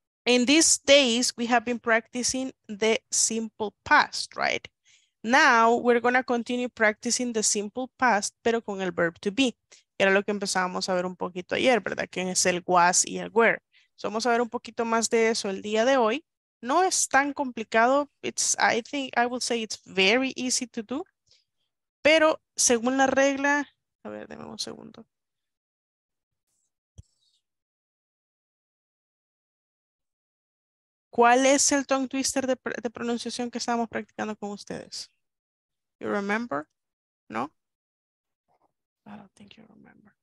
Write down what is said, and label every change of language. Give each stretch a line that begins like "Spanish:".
English: In these days, we have been practicing the simple past, right? Now, we're going to continue practicing the simple past,
Spanish: pero con el
English: verb to be.
Spanish: Era lo que empezábamos a ver un poquito ayer, ¿verdad? Que es el was y el were. So, vamos a ver un poquito más de eso el día de hoy. No es tan complicado.
English: I would say it's very easy to do.
Spanish: Pero según la regla, a ver, denme un segundo. ¿Cuál es el tongue twister de pronunciación que estábamos practicando con ustedes?
English: You remember? No? I don't think you remember.